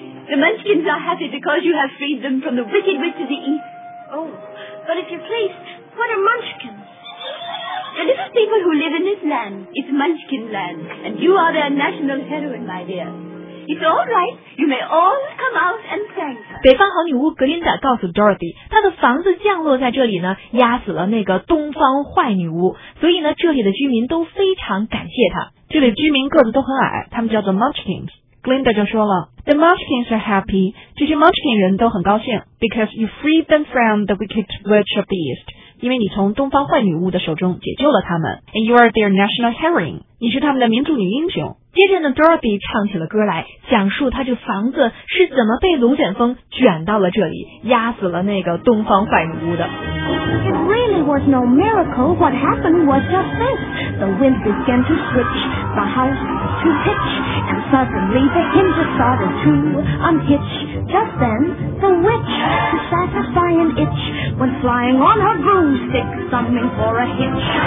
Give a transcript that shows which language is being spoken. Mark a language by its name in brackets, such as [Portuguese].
[English] The Munchkins are happy because you have freed them from the Wicked Witch of the East. Oh, but if you please, what are Munchkins? The little people who live in this land, it's Munchkin Land, and you are their national heroine, my dear. It's all right. You may all come out and thank her. [Chinese] 北方好女巫格林达告诉 Dorothy， 她的房子降落在这里呢，压死了那个东方坏女巫，所以呢，这里的居民都非常感谢她。这里居民个子都很矮，他们叫做 Munchkins。Glinda 就说了 ， [English] The Munchkins are happy， [Chinese] 这些 Munchkin 人都很高兴 ， [English] because you freed them from the wicked witch of the east， [Chinese] 因为你从东方坏女巫的手中解救了他们 ， [English] and you are their national heroine， [Chinese] 你是他们的民族女英雄。接着呢 ，Dorothy 唱起了歌来，讲述她这房子是怎么被龙卷风卷到了这里，压死了那个东方坏女巫的。 [English] It really was no miracle. What happened was just this. The wind began to switch, the house to pitch, and suddenly the hinges started to unhitch. Just then, the witch, to satisfy an itch, went flying on her broomstick, summoning for a hitch.